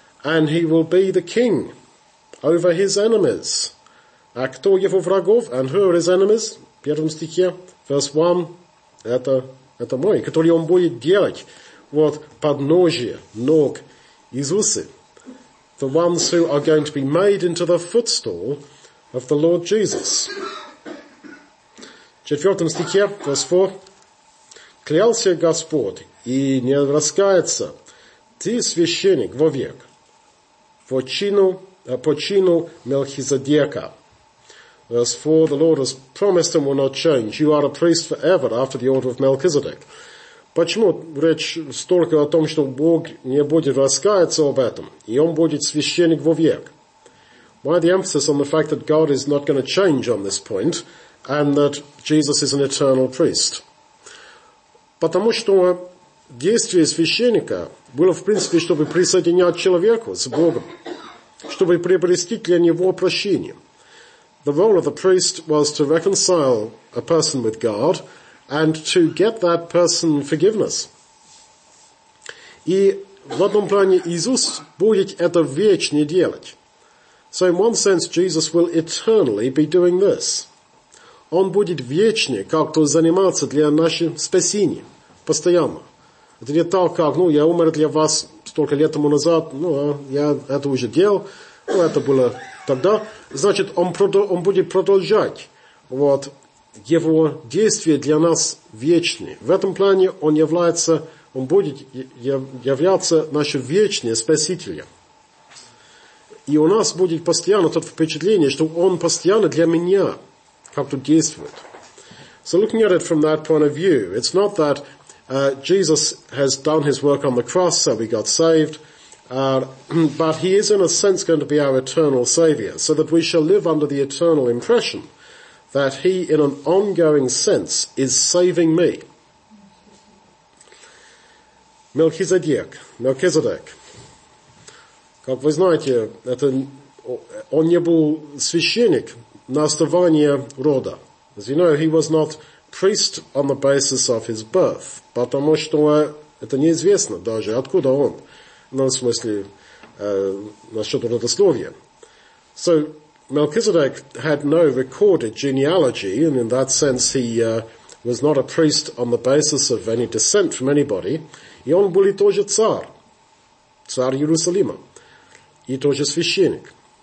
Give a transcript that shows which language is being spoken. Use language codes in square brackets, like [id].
[en] and he will be the king over his enemies. [ru] А кто его врагов? [en] And who are his enemies? [ru] В первом стихе, [en] verse 1, [ru] это мой, который он будет делать вот подножие ног Иисуса. [en] The ones who are going to be made into the footstool of the Lord Jesus. [ru] В четвертом стихе, [en] verse 4, [ru] клялся Господь и не раскается, ты священник вовек, по чину Мелхизедека. [en] Verse 4, the Lord has promised and will not change, you are a priest forever after the order of Melchizedek. [ru] Почему речь столько о том, что Бог не будет раскаяться об этом, и он будет священник вовек? [en] Why the emphasis on the fact that God is not going to change on this point, and that Jesus is an eternal priest? [ru] Потому что действие священника было, в принципе, чтобы присоединять человека с Богом, чтобы приобрести для него прощение. [en] The role of the priest was to reconcile a person with God and to get that person forgiveness. [ru] И в одном плане Иисус будет это вечно делать. [en] So in one sense, Jesus will eternally be doing this. [ru] Он будет вечно как-то заниматься для нашего спасения. Постоянно. Это не так, как, ну, я умер для вас столько лет тому назад, ну, я это уже делал, ну, это было тогда. Значит, он будет продолжать вот его действия для нас вечные. В этом плане он является, он будет являться нашим вечным спасителем. И у нас будет постоянно то впечатление, что он постоянно для меня как-то действует. [en] So looking at it from that point of view, it's not that Jesus has done his work on the cross, so we got saved. But he is, in a sense, going to be our eternal Savior, so that we shall live under the eternal impression that he, in an ongoing sense, is saving me. [ru] Мелхизедек. Как вы знаете, это он не был священник на основании рода. [en] As you know, he was not priest on the basis of his birth. [ru] Потому что это неизвестно даже, откуда он, ну, в смысле, насчет родословия. [en] So, Melchizedek had no recorded genealogy, and in that sense he was not a priest on the basis of any descent from anybody. [ru] И он был тоже цар Иерусалима, и тоже священник.